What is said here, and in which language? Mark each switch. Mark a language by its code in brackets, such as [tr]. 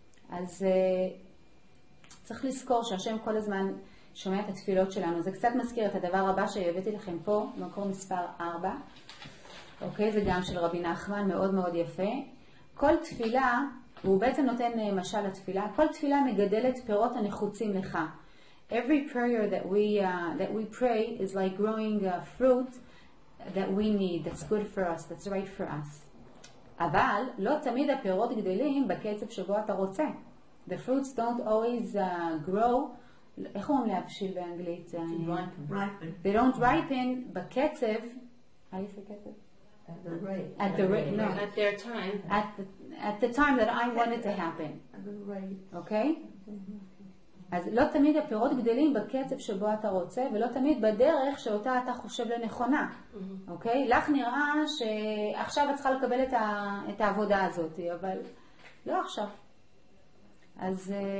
[he] אז צריך לזכור שהשם כל הזמן שומע את התפילות שלנו. זה קצת מזכיר את הדבר הבא שהבאתי לכם פה, מקור מספר 4. אוקיי, זה גם של רבי נחמן, מאוד מאוד יפה. כל תפילה, הוא בעצם נותן משל לתפילה, כל תפילה מגדלת פירות הנחוצים לך. [en] Every prayer that we pray is like growing a fruit that we need, that's good for us, that's right for us. [he] אבל לא תמיד הפירות גדלים בקצב שבו אתה רוצה. [en] The fruits don't always grow, [he] איך אומרים להבשיל באנגלית? [en] They don't ripen [he] בקצב, [en] how do you say קצב? At the time that I want it to happen. At the rate. Okay? [he] אז לא תמיד הפירות גדלים בקצב שבו אתה רוצה, ולא תמיד בדרך שאותה אתה חושב לנכונה. אוקיי? לך נראה שעכשיו את צריכה לקבל את העבודה הזאת, אבל לא עכשיו. אז